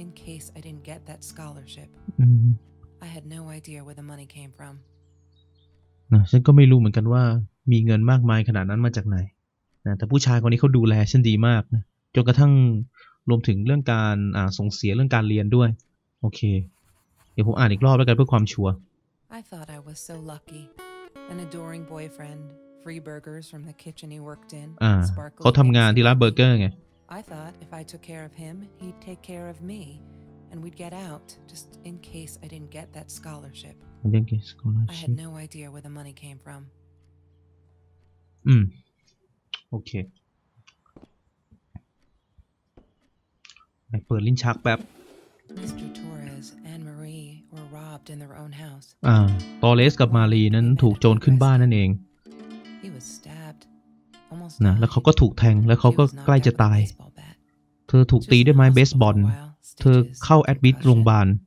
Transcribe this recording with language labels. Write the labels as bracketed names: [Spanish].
[English] Case I didn't get that scholarship. I had no idea where the money came from. [Thai] นะฉันก็ไม่รู้เหมือนกันว่ามีเงินมากมายขนาดนั้นมาจากไหนนะแต่ผู้ชายคนนี้เขาดูแลฉันดีมากนะจนกระทั่งรวมถึงเรื่องการส่งเสียเรื่องการเรียนด้วยโอเคเดี๋ยวผมอ่านอีกรอบแล้วกันเพื่อความชัวร์ [English] I thought I was so lucky. An adoring boyfriend, free burgers from the kitchen he worked in. [Thai] เขาทำงานที่ร้านเบอร์เกอร์ไง [English] I thought if I took care of him, he'd take care of me, and we'd get out just in case I didn't get that scholarship. I didn't get scholarship. I had no idea where the money came from. Okay. I open the chest bag. Mr. Torres and Marie were robbed in their own house. [Thai] Torres and Marie นั้นถูกโจรขึ้นบ้านนั่นเอง [English] He was stabbed. [Thai] นะแล้วเขาก็ถูกแทงแล้วเขาก็ใกล้จะตายเธอถูกตีด้วยไม้เบสบอลเธอเข้าแอดมิทโรงพยาบาล